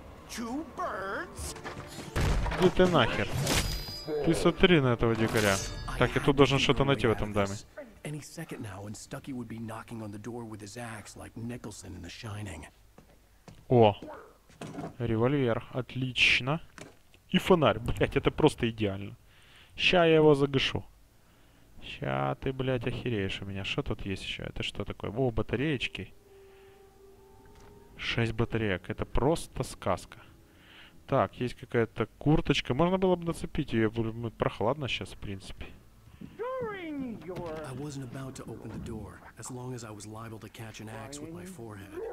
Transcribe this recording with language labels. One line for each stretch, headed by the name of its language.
Russian: Где ты нахер? Ты смотри на этого дикаря. Так, я тут должен что-то найти в этом доме.
English: Any second now, and Stucky would be knocking on the door with his axe, like Nicholson in The Shining.
Russian: О, револьвер, отлично. И фонарь, блять, это просто идеально. Ща я его загашу. Ща ты, блять, охереешь у меня. Что тут есть еще? Это что такое? О, батареечки. 6 батареек, это просто сказка. Так, есть какая-то курточка. Можно было бы нацепить ее, будет прохладно сейчас, в принципе.
English: I wasn't about to open the door, as long as I was liable to catch an axe with my forehead.